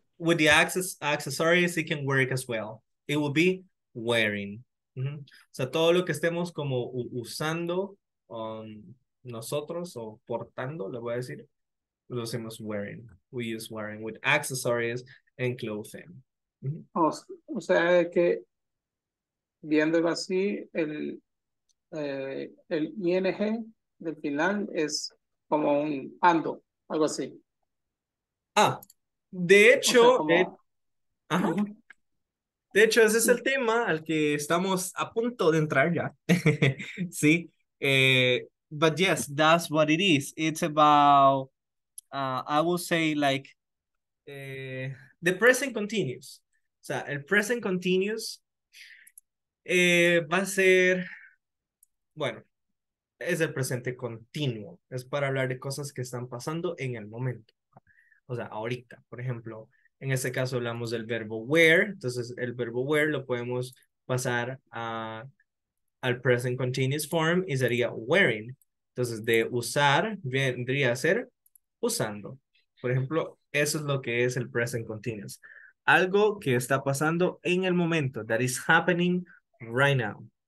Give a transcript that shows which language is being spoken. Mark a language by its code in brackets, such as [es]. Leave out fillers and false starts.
[en] With the accessories, it can work as well. It will be wearing. Mm-hmm. [es] So, todo lo que estemos como usando nosotros o portando, le voy a decir, lo hacemos wearing. [en] We use wearing with accessories and clothing. Mm-hmm. [es] O sea, que viéndolo así, el ING del final es como un ando, algo así. Ah, de hecho, o sea, como... de hecho, ese es el tema al que estamos a punto de entrar ya. [en] Sí, but yes, that's what it is. It's about, I will say, like, the present continuous. [es] O sea, el present continuous. Va a ser, bueno, es el presente continuo, es para hablar de cosas que están pasando en el momento, o sea, ahorita, por ejemplo, en este caso hablamos del verbo wear, entonces el verbo wear lo podemos pasar al present continuous form y sería wearing, entonces de usar vendría a ser usando, por ejemplo, eso es lo que es el present continuous, algo que está pasando en el momento, [en] that is happening right now.